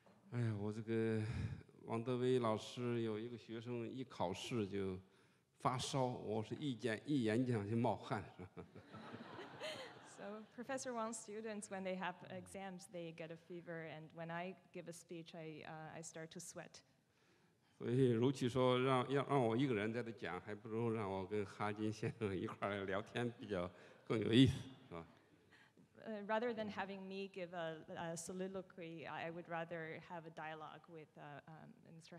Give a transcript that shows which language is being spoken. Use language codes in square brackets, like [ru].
[zh] 哎呀，我这个王德威老师有一个学生一考试就发烧，我是一演讲就冒汗。 [en] So Professor Wang's students, when they have exams, they get a fever, and when I give a speech, I start to sweat. [zh] 所以如其说让我一个人在这讲，还不如让我跟哈金先生一块儿聊天比较更有意思，是吧？ [en] Rather than having me give a soliloquy, I would rather have a dialogue with Mr.